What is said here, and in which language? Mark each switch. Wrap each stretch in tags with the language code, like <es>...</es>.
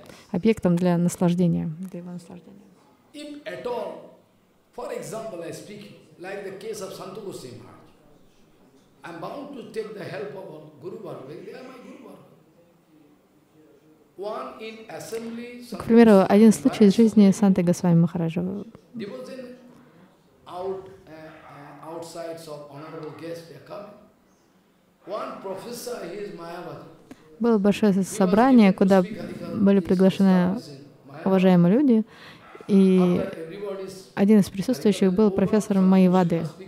<ru>Объектом для наслаждения, для его наслаждения.</ru> <en>I'm bound to take the help of Guru Varga. They are my Guru Varga. One in assembly.</en> <ru>К примеру, один случай из жизни Санты Госвами Махараджа.</ru> <en>There was an outside of honorable guests they come. One professor, he is Mayavadi.</en> <ru>Было большое собрание, куда были приглашены уважаемые люди, И один из присутствующих был профессором Майявады.</ru>